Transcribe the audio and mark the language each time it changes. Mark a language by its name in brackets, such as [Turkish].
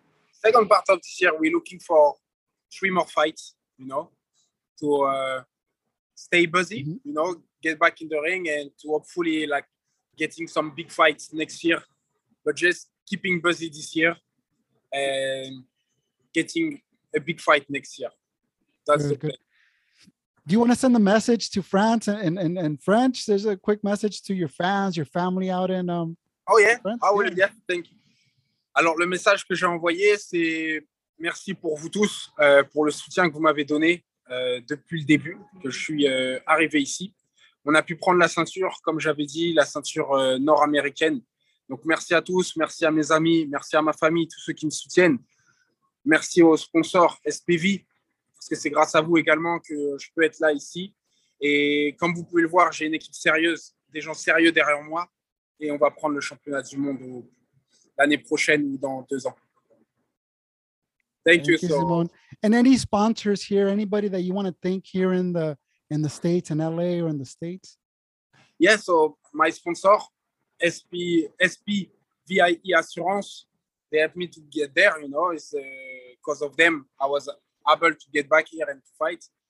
[English] Second part of this year, we're looking for 3 more fights, you know, to stay busy, you know, get back in the ring, and to hopefully like getting some big fights next year, but just keeping busy this year and getting a big fight next year. That's good, the plan. Do you want to send a message to France and French? There's a quick message to your fans, your family out in France? Oh, yeah. Thank you. [French] Alors, le message que j'ai envoyé, c'est merci pour vous tous, pour le soutien que vous m'avez donné depuis le début, que je suis arrivé ici. On a pu prendre la ceinture, comme j'avais dit, la ceinture nord-américaine. Donc, merci à tous, merci à mes amis, merci à ma famille, tous ceux qui me soutiennent. Merci aux sponsors SPV. Parce que c'est grâce à vous également que je peux être là ici. Et comme vous pouvez le voir, j'ai une équipe sérieuse, des gens sérieux derrière moi. Et on va prendre le championnat du monde l'année prochaine ou dans 2 ans. [English] Thank you, Simone. And any sponsors here, anybody that you want to thank here in the States, in LA or in the States? Yeah, so my sponsor, SPVIE Assurance, they helped me to get there, you know, it's because of them I was able to get back here and to fight.